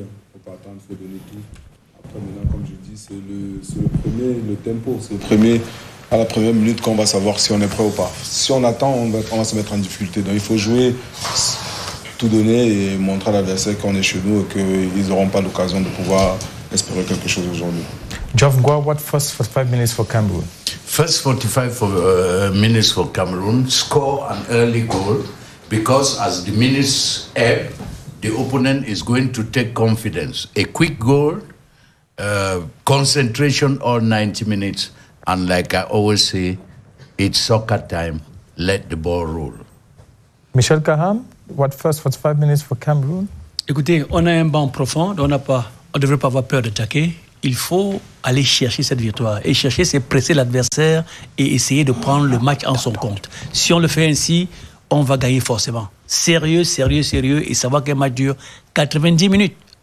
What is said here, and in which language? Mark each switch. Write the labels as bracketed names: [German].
[French] Il ne faut pas attendre, il faut donner tout. Après, maintenant, comme je dis, c'est le premier, le tempo, c'est le premier, à la première minute qu'on va savoir si on est prêt ou pas. Si on attend, on va se mettre en difficulté. Donc il faut jouer, tout donner et montrer à l'adversaire qu'on est chez nous et qu'ils n'auront pas l'occasion de pouvoir espérer quelque chose aujourd'hui. [English] Geoff Gua, what first 45 minutes for Cameroon? First 45 for, minutes for Cameroon, score an early goal because as the minutes ebb, the opponent is going to take confidence. A quick goal, concentration all 90 minutes, and like I always say, it's soccer time, let the ball roll. Michel Kaham, what first 45 minutes for Cameroon? [French] Écoutez, on a un banc profond, on ne devrait pas avoir peur d'attaquer. Il faut aller chercher cette victoire. Et chercher, c'est presser l'adversaire et essayer de prendre le match en son compte. Si on le fait ainsi, on va gagner forcément. Sérieux, sérieux, sérieux. Et savoir qu'un match dure 90 minutes.